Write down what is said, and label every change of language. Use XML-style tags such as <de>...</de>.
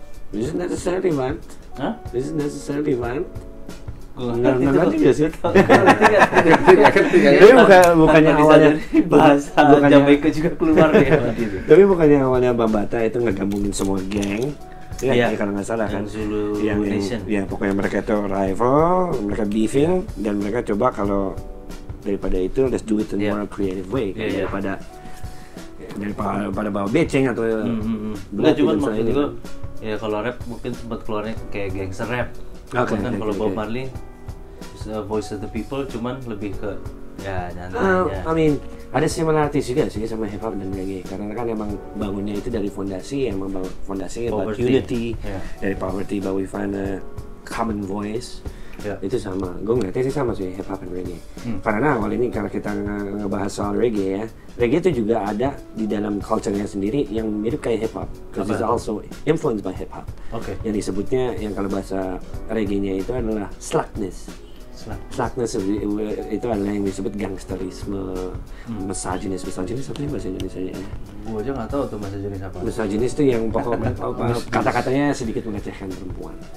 <en>This is necessarily violent. This is necessarily violent.</en> <id>Tapi bukannya awalnya Bambata itu ngegabungin semua geng. Iya, kalau nggak salah kan. Zulu Nation. Ya, pokoknya mereka itu rival, mereka beefing, dan mereka coba kalau daripada itu,</id> <en>let's do it in a more creative way.</en> <id>Daripada bawa beceng atau... Nggak, cuma maksud gue, ya kalau rap mungkin sempat keluarnya kayak gangster rap. Kan kalau Bob Marley, Voice of the People, cuman lebih ke ya nyantai.</id> <en>I mean,</en> <id>ada similarities juga sih sama hip hop dan reggae. Karena kan emang bangunnya itu dari fondasi, emang fondasinya</id> <en>about unity,</en> <id>dari</id> <en>poverty, but we find a common voice. Yeah.</en> <id>Itu sama. Gue ngerti sih sama sih hip hop dan reggae. Karena awal ini kalau kita ngebahas soal reggae ya, reggae itu juga ada di dalam culture-nya sendiri yang mirip kayak hip hop.</id> <en>Because it's also influenced by hip hop. Okay.</en> <id>Yang disebutnya yang kalau bahasa reggae-nya itu adalah slackness. Slackness itu adalah yang disebut gangsterisme, misogynist. Misogynist apa sih bahasa Indonesia nya? Gua aja nggak tahu tuh bahasa jenis apa. Misogynist itu yang pokoknya kata-katanya sedikit mengecehkan perempuan.</id>